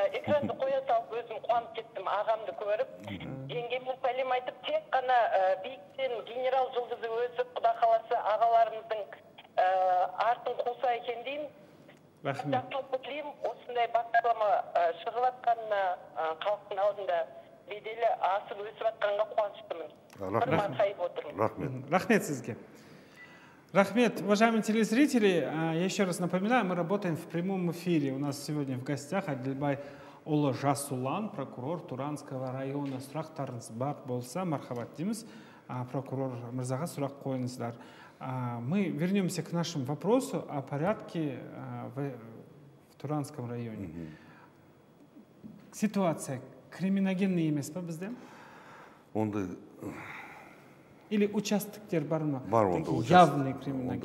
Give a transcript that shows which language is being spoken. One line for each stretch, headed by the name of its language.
Kazakh: Экранды қоя салып өзім қуанып кеттім, ағамды көріп. Жеңгеме сәлем айтып, тек қана биіктен генерал жұлдызы өсіп, құда қаласы ағаларымыздың артын қуса екен деймін. Рахмет. Осындай бастама шығып жатқанына халықтың алдында беделі асып өсіп жатқанға қуаныштымын. Рахмет. Рахмет сізге.
Russian: Рахмет, уважаемые телезрители. Еще раз напоминаю, мы работаем в прямом эфире. У нас сегодня в гостях Адильбай Ола Жасулан, прокурор Туранского района.
Kazakh: Сұрақтарыңыз бар болса, мархабат дейміз. Прокурор Мырзаға сұрақ қойыңыздар.
Russian: Мы вернемся к нашему вопросу о порядке в Туранском районе.
Kazakh: Ситуация криминогенная емес па бізде? Или участоктер бар ма? Бар, онда явный криминоген.